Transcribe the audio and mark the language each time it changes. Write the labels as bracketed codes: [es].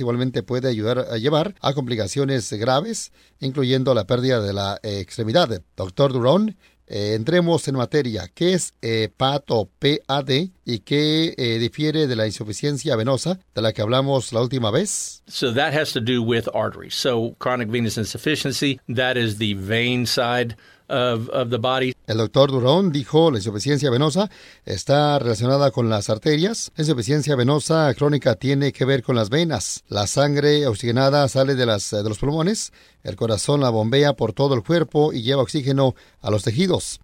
[es] Igualmente puede ayudar a llevar a complicaciones graves, incluyendo la pérdida de la extremidad. Doctor Durón, entremos en materia. ¿Qué es PAD o PAD y qué difiere de la insuficiencia venosa de la que hablamos la última vez? [en] So that has to do with arteries. So chronic venous insufficiency, that is the vein side of the body. [es] El doctor Durón dijo la insuficiencia venosa está relacionada con las arterias. La insuficiencia venosa crónica tiene que ver con las venas. La sangre oxigenada sale de los pulmones. El corazón la bombea por todo el cuerpo y lleva oxígeno a los tejidos.